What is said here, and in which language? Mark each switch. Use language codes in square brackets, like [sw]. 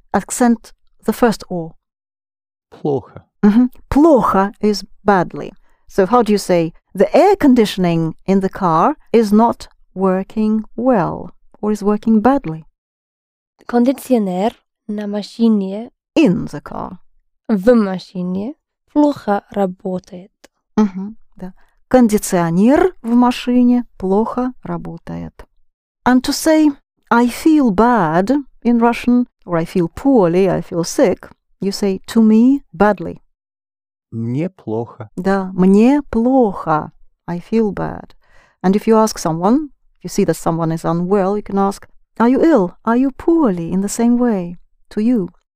[en] Accent the first O. [ru] Плохо. [en] Mm-hmm. Плохо is badly. So how do you say, the air conditioning in the car is not working well, or is working badly? [ru] Кондиционер на машине. [en] In the car. [ru] В машине плохо работает. Mm-hmm. Да. Кондиционер в машине плохо работает. [en] And to say, I feel bad in Russian, or I feel poorly, I feel sick, you say to me badly. [ru] Мне плохо. Да, мне плохо. [en] I feel bad. And if you ask someone, if you see that someone is unwell, you can ask, are you ill? Are you poorly? In the same way, to you.